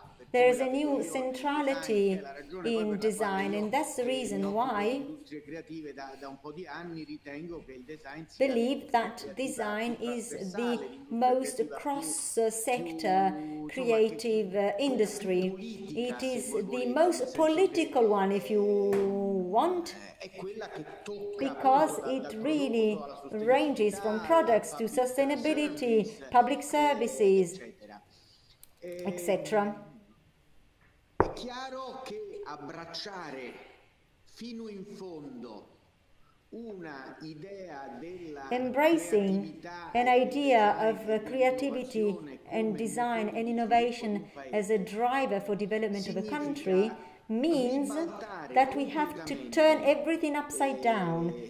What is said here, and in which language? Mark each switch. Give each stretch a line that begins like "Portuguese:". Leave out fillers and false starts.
English: There is a new centrality in design, and that's the reason why I believe that design is the most cross-sector creative industry. It is the most political one, if you want, because it really ranges from products to sustainability, public services, etc.
Italian: È chiaro che abbracciare fino in fondo una idea della
English: embracing an idea of creativity and design and innovation as a driver for development of a country means that we have to turn everything upside down.